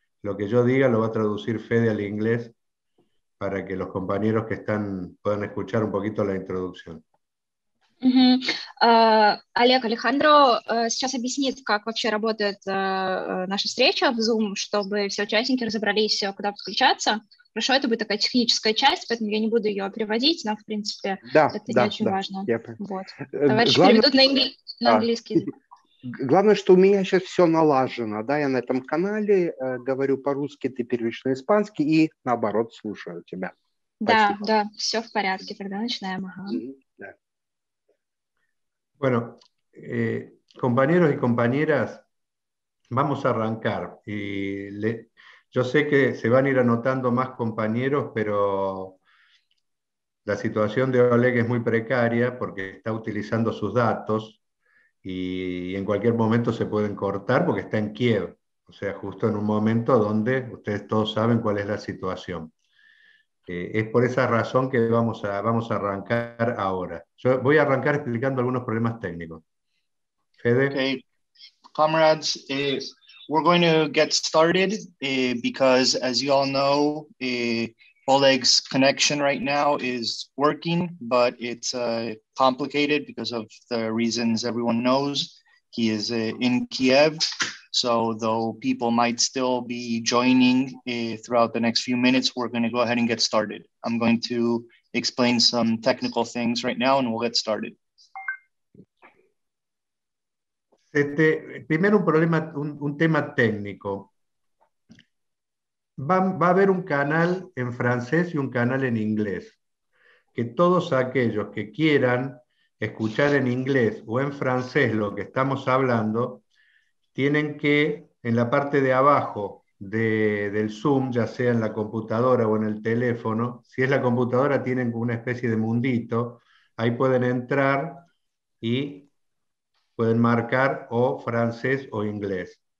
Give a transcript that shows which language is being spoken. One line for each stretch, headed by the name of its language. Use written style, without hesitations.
Spanish: Lo que yo diga lo va a traducir Fede al inglés para que los compañeros que están puedan escuchar un poquito la introducción.
Russian: Олег, Алехандро сейчас объяснит, как вообще работает наша встреча в Zoom, чтобы все участники разобрались, куда подключаться. Хорошо, это будет такая техническая часть, поэтому я не буду ее переводить, но, в принципе, Да, это не очень да, важно. да. Вот. Товарищи переведут на английский язык. Главное, что у меня сейчас все налажено, да, я на этом канале говорю по-русски, ты переводишь на испанский и наоборот слушаю тебя. Да, Спасибо. все в порядке. Тогда начинаем.
Spanish: Bueno, compañeros y compañeras, vamos a arrancar. Yo sé que se van a ir anotando más compañeros, pero la situación de Oleg es muy precaria porque está utilizando sus datos y en cualquier momento se pueden cortar porque está en Kiev, o sea, justo en un momento donde ustedes todos saben cuál es la situación. Es por esa razón que vamos a arrancar ahora. Yo voy a arrancar explicando algunos problemas técnicos. Fede.
English: Okay, comrades, we're going to get started because, as you all know, Oleg's connection right now is working, but it's complicated because of the reasons everyone knows. He is in Kiev, so though people might still be joining throughout the next few minutes, we're going to go ahead and get started. I'm going to explain some technical things right now and we'll get started.
Spanish: Primero un tema técnico. Va a haber un canal en francés y un canal en inglés. Que todos aquellos que quieran escuchar en inglés o en francés lo que estamos hablando, tienen que en la parte de abajo del Zoom, ya sea en la computadora o en el teléfono, si es la computadora tienen una especie de mundito, ahí pueden entrar y pueden marcar o francés o inglés.